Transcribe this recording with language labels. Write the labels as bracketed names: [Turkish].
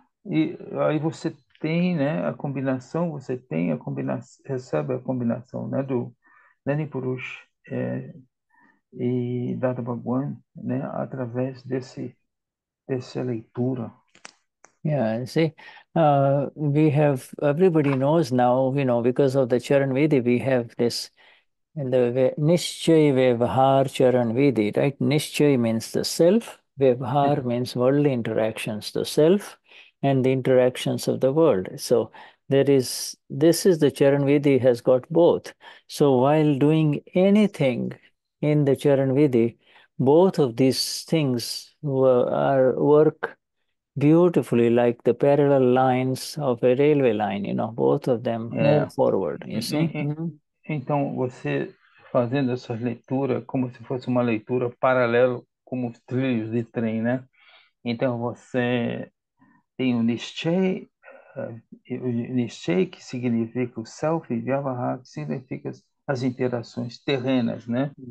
[Portuguese] E aí você tem, né, a combinação, você tem a combinação, recebe a combinação, né, do Nani Purush e Dada Bhagwan, né, através dessa leitura. [English] We have, everybody knows now, you know, because of the Charanvidhi, we have this Nishchay Vevahar Charanvidhi, right? Nishchay means the self, Vevahar means worldly interactions, the self and the interactions of the world. So there is, this is the Charanvidhi has got both. So while doing anything in the Charanvidhi, both of these things work beautifully, like the parallel lines of a railway line, you know, both of them move forward, you see? [Portuguese] Então, você fazendo essa leitura como se fosse uma leitura paralelo com os trilhos de trem, né? Então, você tem o Nishchay, que significa o self, e Vyavahara, que significa as interações terrenas, né?